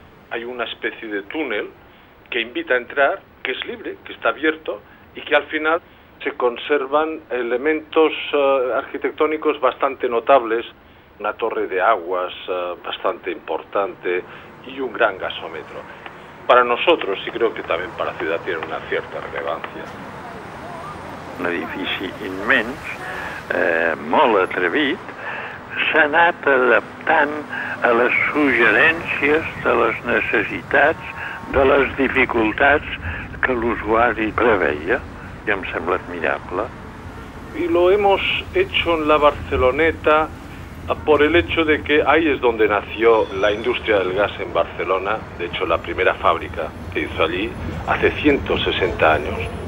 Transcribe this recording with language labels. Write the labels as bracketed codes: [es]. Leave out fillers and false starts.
[es] Hay una especie de túnel que invita a entrar, que es libre, que está abierto y que al final se conservan elementos arquitectónicos bastante notables, una torre de aguas bastante importante y un gran gasómetro. Para nosotros, y creo que también para la ciudad, tiene una cierta relevancia. [ca] Un edifici immens, molt atrevit, s'ha anat adaptant a les suggerències de les necessitats, de les dificultats que l'usuari preveia. [es] Ya me parece admirable. Y lo hemos hecho en la Barceloneta por el hecho de que ahí es donde nació la industria del gas en Barcelona. De hecho, la primera fábrica se hizo allí hace 160 años.